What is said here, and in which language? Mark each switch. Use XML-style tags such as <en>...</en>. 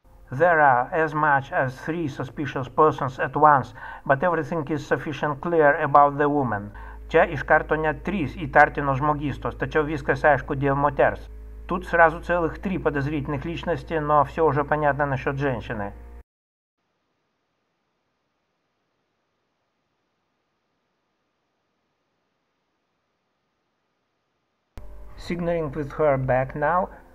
<en>There are as much as three suspicious persons at once, but everything is sufficiently clear about the woman.</en> <lt>Čia iš karto net trys įtartino žmogystos, tačiau viskas aišku dėl moters.</lt> <ru>Тут сразу целых три подозрительных личности, но все уже понятно насчет женщины.</ru> <en>Signaling with her back now.</en>